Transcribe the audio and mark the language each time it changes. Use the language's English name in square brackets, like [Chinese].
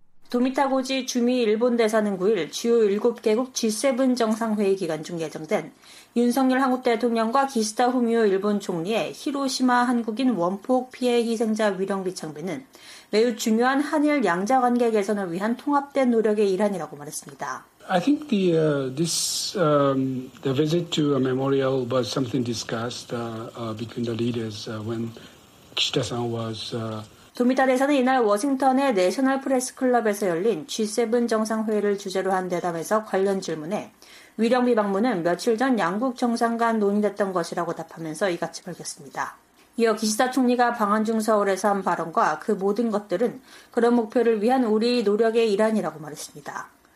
[Korean] 도미타 고지 주미 일본 대사는 9일 주요 7개국 G7 정상회의 기간 중 예정된 윤석열 한국 대통령과 기시다 후미오 일본 총리의 히로시마 한국인 원폭 피해 희생자 위령비 참배는 매우 중요한 한일 양자 관계 개선을 위한 통합된 노력의 일환이라고 말했습니다. [English] I think the visit to a memorial was something discussed between the leaders when Kishida-san was [Korean] 도미타 대사는 이날 워싱턴의 내셔널 프레스클럽에서 열린 G7 정상회의를 주제로 한 대담에서 관련 질문에 위령비 방문은 며칠 전 양국 정상 간 논의됐던 것이라고 답하면서 이같이 밝혔습니다. 이어 기시다 총리가 방한 중 서울에서 한 발언과 그 모든 것들은 그런 목표를 위한 우리 노력의 일환이라고 말했습니다.